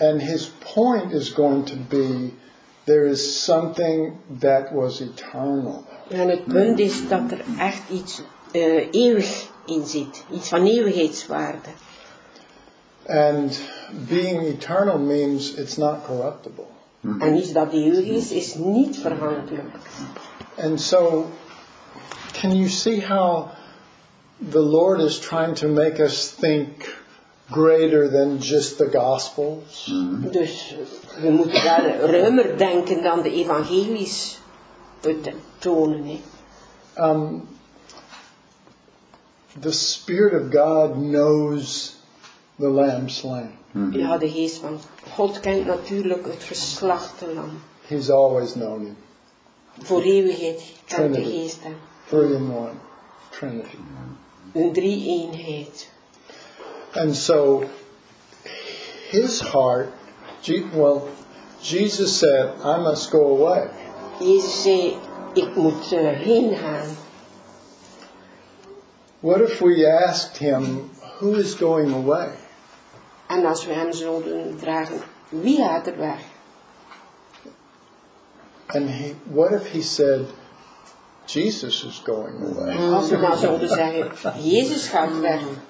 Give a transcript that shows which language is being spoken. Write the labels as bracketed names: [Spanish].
[English] And his point is going to be, there is something that was eternal. [Dutch] En het punt is dat er echt iets eeuwig in zit, iets van eeuwigheidswaarde. [English] And being eternal means it's not corruptible. [Dutch] En iets dat eeuwig is, is niet vergankelijk. [English] And so, can you see how the Lord is trying to make us think greater than just the Gospels? [Dutch] Dus we moeten daar ruimer denken dan de evangelies te tonen. [English] The Spirit of God knows the Lamb slain. [Dutch] Ja, de Geest van God kent natuurlijk het geslachte lam. [English] He's always known him. [Dutch] Voor eeuwigheid kent de Geest hem. [English] Three in one. Trinity. [Dutch] Een drie eenheid. [English] And so, his heart, well, Jesus said, I must go away. [Dutch] Jezus zei, ik moet heen gaan. [English] What if we asked him, who is going away? [Dutch] En als we hem zouden vragen, wie gaat er weg? [English] And he, what if he said, Jesus is going away? [Dutch] Als we dan zouden zeggen, Jezus gaat weg.